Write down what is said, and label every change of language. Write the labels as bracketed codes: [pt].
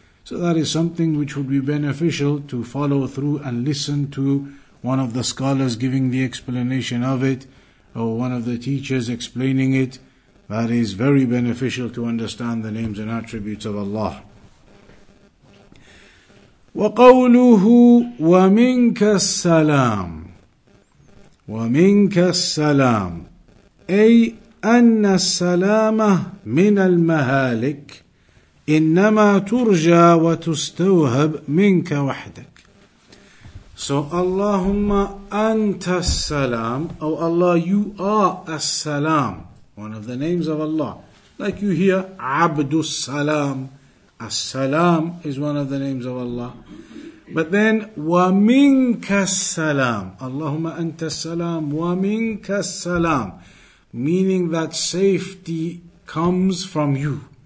[en] So that is something which would be beneficial to follow through and listen to one of the scholars giving the explanation of it, or one of the teachers explaining it. That is very beneficial to understand the names and attributes of Allah. [ar] وَقَوْلُهُ وَمِنْكَ السَّلَامُ وَمِنْكَ السَّلَامُ أي أن السلامة من المهالك إنما ترجى وتستوهب منك وحدك. [en] So [ar] اللهم أنت السلام, [en] أو الله, you are السلام. One of the names of Allah. Like you hear, Abdu Salam. As-Salam is one of the names of Allah. But then, [ar] Wa Minka Salam. Allahumma Anta Salam. Wa Minka Salam. [en] Meaning that safety comes from you.